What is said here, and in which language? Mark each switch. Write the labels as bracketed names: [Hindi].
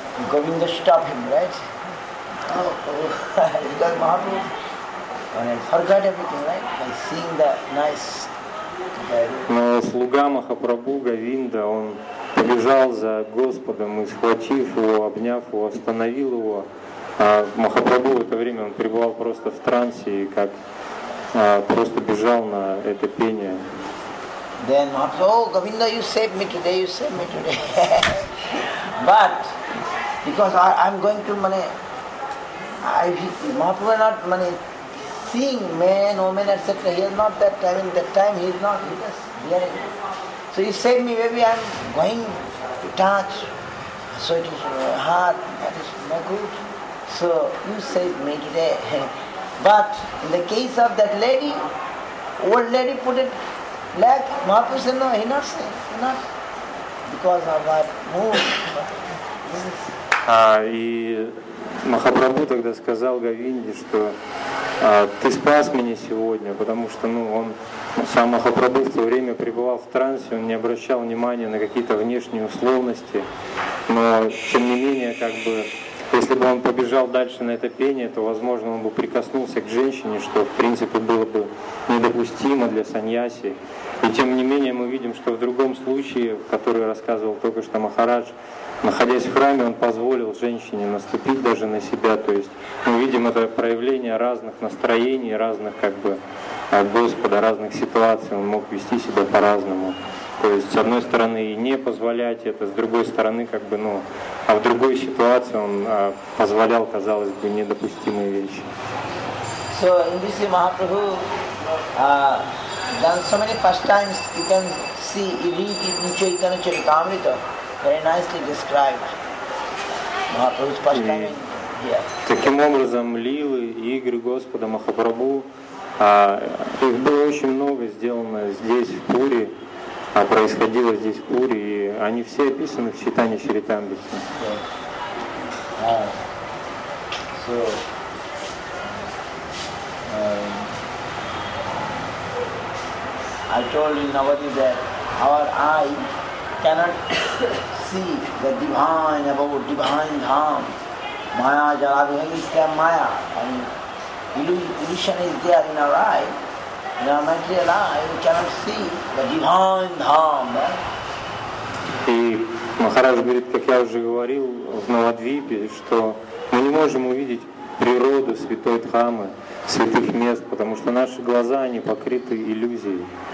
[English] Govinda stopped him, right? Oh, Mahaprabhu. And I forgot everything, right? By seeing the nice guy. [Russian] Но слуга Махапрабху Говинда, он побежал за Господом и, схватив его, обняв его, остановил его. А Махапрабху в это время он пребывал просто в трансе и как просто бежал на это пение. [English] Then Mahaprabhu, oh Govinda, you saved me today, you saved me today. But because I'm going to Mahaprabhu not seeing men, women, etc. He just hearing. So you save me, maybe I'm going to touch. So it is hard, that is no good. So you save me today. But in the case of that lady, old lady put it like Mahaprabhu said, no, he not. Because of that mood. [Russian] И Махапрабху тогда сказал Говинде, что ты спас меня сегодня, потому что сам Махапрабху в то время пребывал в трансе, он не обращал внимания на какие-то внешние условности, но тем не менее, если бы он побежал дальше на это пение, то, возможно, он бы прикоснулся к женщине, что, в принципе, было бы недопустимо для саньяси. И тем не менее, мы видим, что в другом случае, который рассказывал только что Махарадж, находясь в храме, он позволил женщине наступить даже на себя. То есть мы видим это проявление разных настроений, разных от Господа, разных ситуаций. Он мог вести себя по-разному. То есть, с одной стороны, и не позволять это, с другой стороны, а в другой ситуации он позволял, казалось бы, недопустимые вещи. [English] So, in this way, Mahaprabhu done so many past times, you can see, read it in Chaitanya Charitamrita. Very nicely described. Mahaprabhu's pastime here. [Russian] Таким образом, лилы, игры Господа Махапрабху, их было очень много сделано здесь, в Пури, происходило здесь, в Пури, и они все описаны в Чайтанья Чаритамрите. [English] Yes. I told you, Navadi, that our eye cannot see the divine abode, divine dham. Maya jalabhyam is there, maya. Illusion is there in our eye. In our material eye, we cannot see the divine dham. [Russian] И Махарадж говорит, как я уже говорил в Навадвипе, что мы не можем увидеть природу святой Дхамы, святых мест, потому что наши глаза, они покрыты иллюзией.